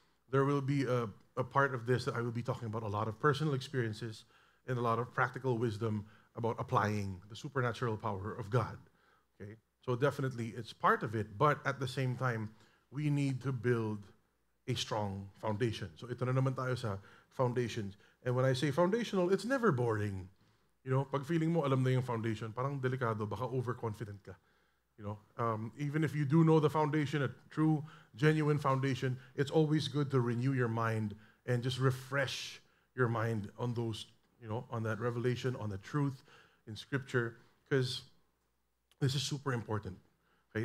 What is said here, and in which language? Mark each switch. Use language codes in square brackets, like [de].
[en] There will be a part of this that I will be talking about a lot of personal experiences and a lot of practical wisdom about applying the supernatural power of God. Okay, so definitely it's part of it, but at the same time, we need to build a strong foundation. [tl] So ito na naman tayo sa foundations. [en] And when I say foundational, it's never boring. You know, [tl] pag feeling mo alam na yung foundation, parang delikado, baka overconfident ka. [en] You know, even if you do know the foundation, a true, genuine foundation, it's always good to renew your mind and just refresh your mind on those, you know, on that revelation, on the truth in Scripture, because this is super important. Okay?